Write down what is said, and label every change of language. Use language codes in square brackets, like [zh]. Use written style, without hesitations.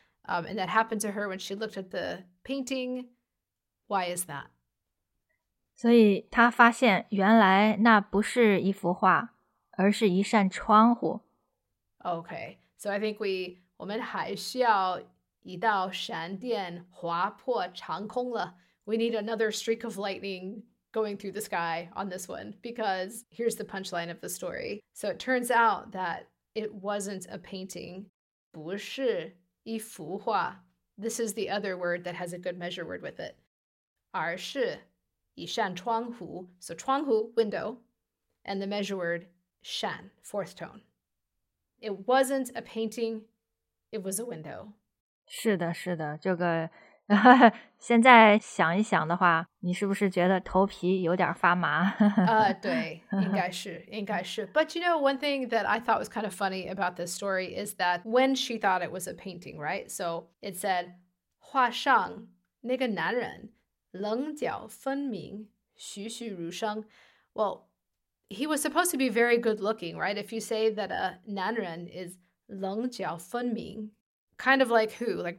[en] And that happened to her when she looked at the painting. Why is that? [zh] 所以她发现原来那不是一幅画。而是一扇窗户。 [en] Okay, so I think we [zh] 还需要一道闪电划破长空了。 [en] We need another streak of lightning going through the sky on this one, because here's the punchline of the story. So it turns out that it wasn't a painting. [zh] 不是一幅画。 [en] This is the other word that has a good measure word with it. [zh] 而是一扇窗户。 [en] So 窗户, window, and the measure word,Shan, fourth tone. It wasn't a painting, it was a window. [zh] 是的是的，这个现在想一想的话，你是不是觉得头皮有点发麻？对，应该是。 [en] But you know, one thing that I thought was kind of funny about this story is that when she thought it was a painting, right? So it said, [zh] 画上那个男人棱角分明栩栩如生。 [en] Well,He was supposed to be very good looking, right? If you say that a 男人 is 棱角分明, kind of like who?